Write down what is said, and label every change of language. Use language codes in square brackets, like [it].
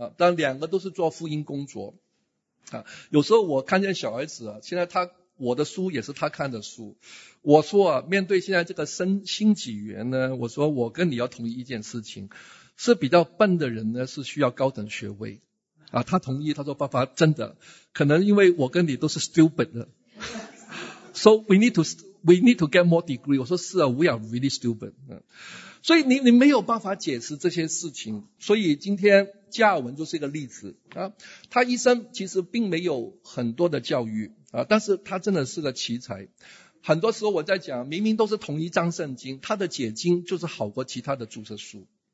[zh] 但两个都是做复印工作。有时候我看见小儿子啊，现在他我的书也是他看的书。我说啊，面对现在这个新纪元呢，我说我跟你要同意一件事情。是比较笨的人呢，是需要高等学位。啊，他同意，他说爸爸真的，可能因为我跟你都是 stupid 的。 [en] So, we need to get more degree. [zh] 我说是啊， [en] we are really stupid. [zh] 所以你没有办法解释这些事情。所以今天加尔文就是一个例子。啊，他一生其实并没有很多的教育。啊，但是他真的是个奇才。很多时候我在讲，明明都是同一张圣经，他的解经就是好过其他的注释书。